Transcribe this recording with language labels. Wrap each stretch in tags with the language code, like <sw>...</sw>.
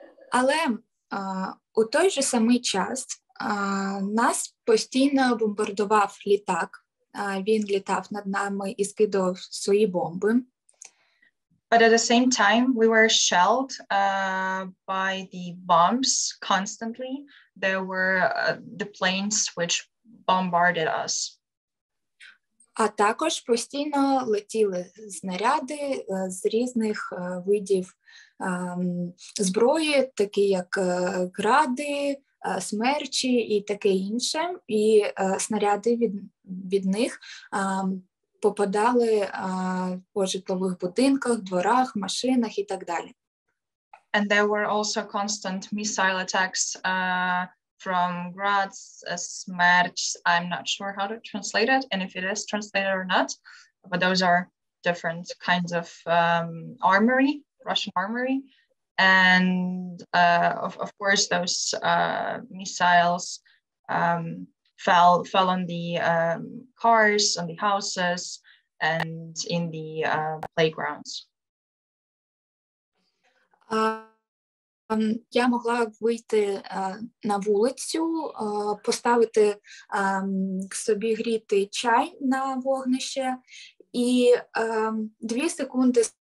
<uk>Але у той же самий час нас постійно бомбардував літак. Він літав над нами і скидав свої бомби.</uk> <en>But at the same time, we were shelled by the bombs constantly. There were the planes which bombarded us.</en> <uk>А також постійно летіли снаряди з різних видів зброї, такі як гради, смерчі і таке інше, і снаряди від них попадали по житлових будинках, дворах, машинах і так далі.</uk> <en>And there were also constant missile attacks from grads, smerch, I'm not sure how to translate it, and if it is translated or not, but those are different kinds of armory. Russian armory, And of course, those missiles fell on the cars, on the houses, and in the playgrounds.</en> <uk>Я могла вийти на вулицю, поставити собі гріти чай на вогнище, і дві секунди.</uk>